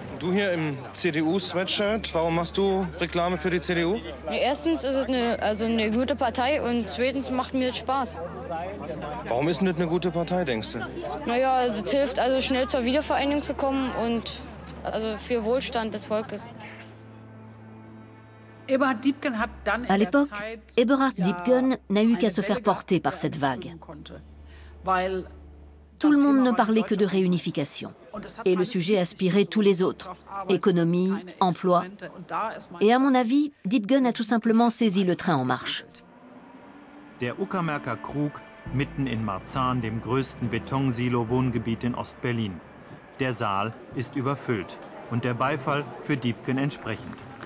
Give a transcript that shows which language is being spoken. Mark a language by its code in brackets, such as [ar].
[de] Du hier im CDU-Sweatshirt, warum machst du Reklame für die CDU? Ja, erstens ist es eine gute Partei und zweitens macht mir das Spaß. Warum ist denn das eine gute Partei, denkst du? Naja, das hilft also schnell zur Wiedervereinigung zu kommen und also für Wohlstand des Volkes. [fr] À l'époque, Eberhard Diepgen n'a eu qu'à se faire porter par cette vague. tout le monde ne parlait que de réunification. Et le sujet aspirait tous les autres, économie, emploi. Et à mon avis, Deep Gun a tout simplement saisi le train en marche. [de] Der Uckermärker Krug, mitten in Marzahn, dem größten Betonsilo-Wohngebiet in Ost-Berlin. Der Saal ist überfüllt und der Beifall für Deep Gun entsprechend.